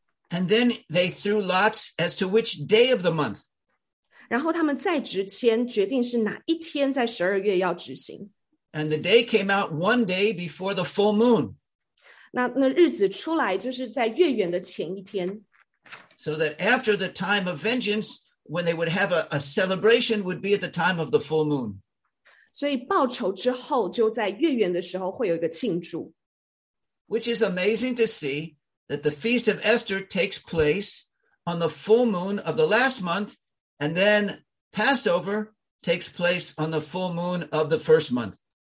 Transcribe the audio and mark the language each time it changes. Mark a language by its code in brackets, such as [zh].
[en] And then they threw lots as to which day of the month. [zh] 然后他们再执签决定是哪一天在12月要执行。 [en] And the day came out one day before the full moon. [zh] 那日子出来就是在月圆的前一天。 [en] So that after the time of vengeance, when they would have a celebration, would be at the time of the full moon. [zh] 所以报仇之后就在月圆的时候会有一个庆祝。 [en] Which is amazing to see that the Feast of Esther takes place on the full moon of the last month, and then Passover takes place on the full moon of the first month.